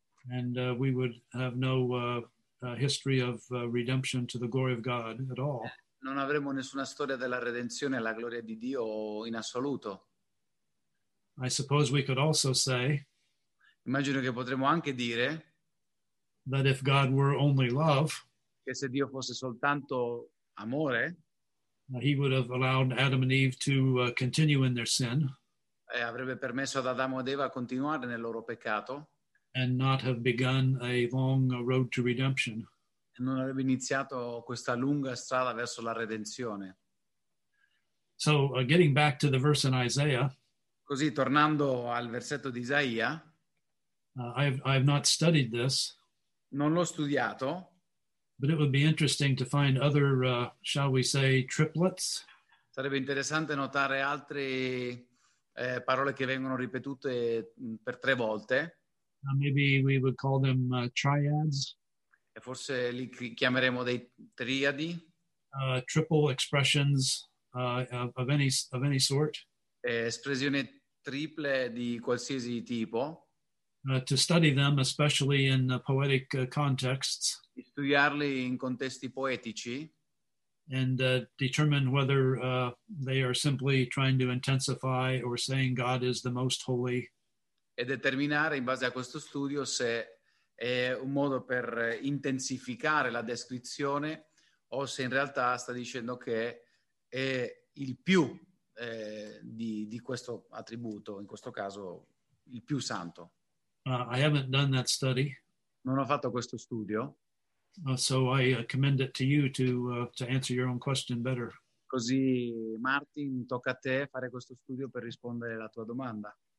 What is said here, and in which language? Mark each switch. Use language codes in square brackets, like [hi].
[en] And we would have no history of redemption to the glory of God at all. [it] Non avremo nessuna storia della redenzione alla gloria di Dio in assoluto. [en] I suppose we could also say, [it] immagino che potremmo anche dire, [en] that if God were only love, [it] che se Dio fosse soltanto amore, [en] he would have allowed Adam and Eve to continue in their sin, [it] e avrebbe permesso ad Adamo ed Eva continuare nel loro peccato, [en] and not have begun a long road to redemption. [it] E non avrebbe iniziato questa lunga strada verso la redenzione. [en] So, getting back to the verse in Isaiah. [it] Così, tornando al versetto di Isaia. [en] I've not studied this. [it] Non l'ho studiato. [en] But it would be interesting to find other, shall we say, triplets. [it] Sarebbe interessante notare altre parole che vengono ripetute per tre volte. [en] Maybe we would call them triads. [it] E forse li chiameremo dei triadi. [en] Triple expressions of any sort. [it] Espressione triple di qualsiasi tipo. [en] To study them, especially in poetic contexts. [it] Di studiarli in contesti poetici. [en] And determine whether they are simply trying to intensify or saying God is the most holy. [it] E determinare in base a questo studio se è un modo per intensificare la descrizione o se in realtà sta dicendo che è il più di questo attributo, in questo caso il più santo. [en] I haven't done that study. [it] Non ho fatto questo studio. [en] So I commend it to you to answer your own question better. [it] Così, Martin, tocca a te fare questo studio per rispondere alla tua domanda.